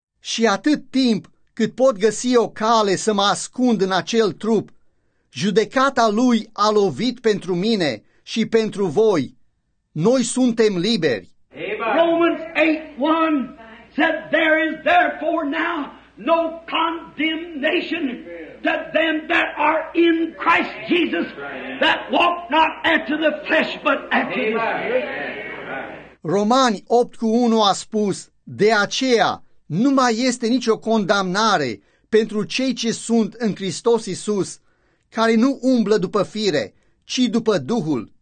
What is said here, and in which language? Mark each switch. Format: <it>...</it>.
<ro>Și atât timp cât pot găsi o cale să mă ascund în acel trup, judecata Lui a lovit pentru mine și pentru voi. Noi suntem liberi.</ro> <en>Romans 8:1 said, there is therefore now no condemnation to them that are in Christ Jesus, that walk not after the flesh, but after the Spirit.</en> <ro>Romani 8:1 a spus, de aceea nu mai este nicio condamnare pentru cei ce sunt în Hristos Iisus, care nu umblă după fire, ci după Duhul.</ro>